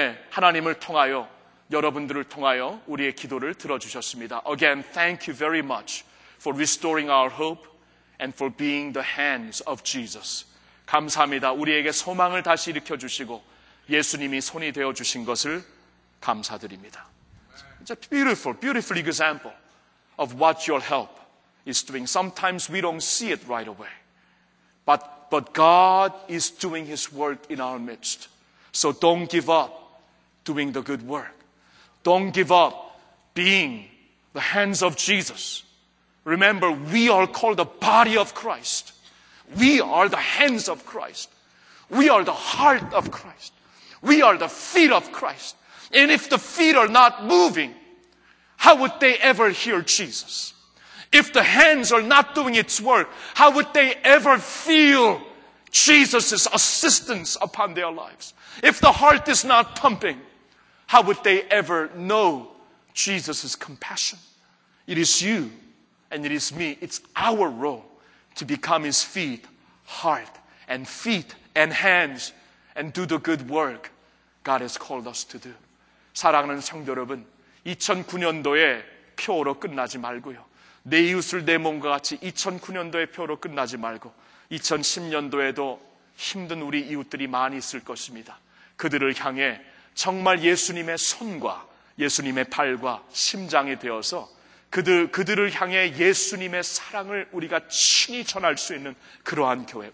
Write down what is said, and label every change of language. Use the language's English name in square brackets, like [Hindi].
[Korean] 하나님을 통하여 여러분들을 통하여 우리의 기도를 들어주셨습니다. [English] Again, thank you very much for restoring our hope and for being the hands of Jesus. [Korean] 감사합니다. 우리에게 소망을 다시 일으켜주시고 예수님이 손이 되어주신 것을 감사드립니다. [English] It's a beautiful, beautiful example of what your help is doing. Sometimes we don't see it right away. But God is doing His work in our midst. So don't give up doing the good work. Don't give up being the hands of Jesus. Remember, we are called the body of Christ. We are the hands of Christ. We are the heart of Christ. We are the feet of Christ. And if the feet are not moving, how would they ever hear Jesus? If the hands are not doing its work, how would they ever feel Jesus' assistance upon their lives? If the heart is not pumping, how would they ever know Jesus' compassion? It is you. And it is me. It's our role to become his feet, heart, and feet, and hands, and do the good work God has called us to do. [Korean] 사랑하는 성도 여러분, 2009년도에 표로 끝나지 말고요. 내 이웃을 내 몸과 같이 2009년도에 표로 끝나지 말고 2010년도에도 힘든 우리 이웃들이 많이 있을 것입니다. 그들을 향해 정말 예수님의 손과 예수님의 발과 심장이 되어서 그들을 향해 예수님의 사랑을 우리가 친히 전할 수 있는 그러한 교회.